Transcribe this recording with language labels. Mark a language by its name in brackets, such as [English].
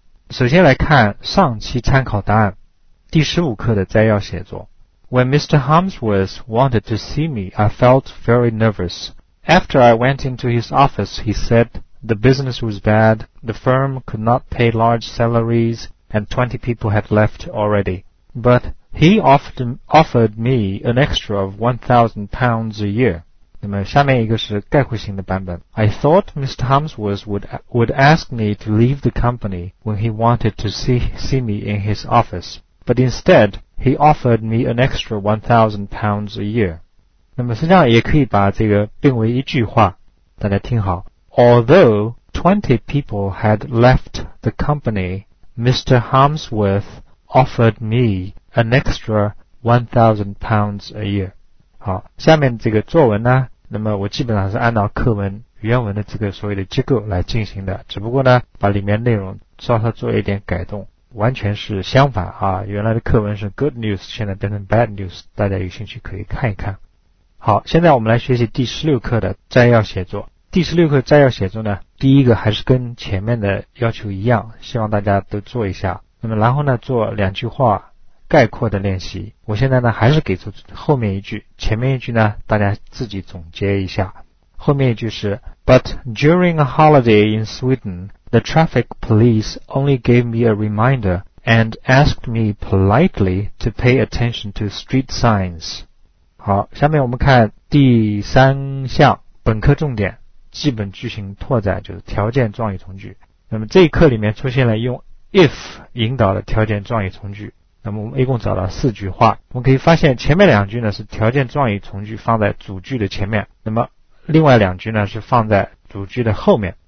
[Chinese] 首先来看上期参考答案第15课的摘要写作。 [English] When Mr. Harmsworth wanted to see me, I felt very nervous. After I went into his office, he said the business was bad, the firm could not pay large salaries, and 20 people had left already. But... He offered me an extra of £1,000 a year. [Chinese] 那么下面一个是概括性的版本。 [English] I thought Mr. Harmsworth would ask me to leave the company when he wanted to see me in his office. But instead, he offered me an extra £1,000 a year. [Chinese] 那么实际上也可以把这个并为一句话，大家听好。 [English] Although 20 people had left the company, Mr. Harmsworth offered meAn extra £1,000 a year. [Chinese] 好，下面这个作文呢，那么我基本上是按照课文原文的这个所谓的结构来进行的，只不过呢，把里面内容稍稍做一点改动，完全是相反啊。原来的课文是 [English] good news， [Chinese] 现在变成 [English] bad news， [Chinese] 大家有兴趣可以看一看。好，现在我们来学习第16课的摘要写作。第16课摘要写作呢，第一个还是跟前面的要求一样，希望大家都做一下。那么然后呢，做两句话。概括的练习，我现在呢还是给出后面一句，前面一句呢大家自己总结一下。后面一句是 [English] But during a holiday in Sweden, the traffic police only gave me a reminder and asked me politely to pay attention to street signs. [Chinese] 好，下面我们看第三项本课重点，基本句型拓展，就是条件状语从句。那么这一课里面出现了用 if 引导的条件状语从句。那么我们一共找了四句话，我们可以发现前面两句呢是条件状语从句放在主句的前面，那么另外两句呢是放在主句的后面。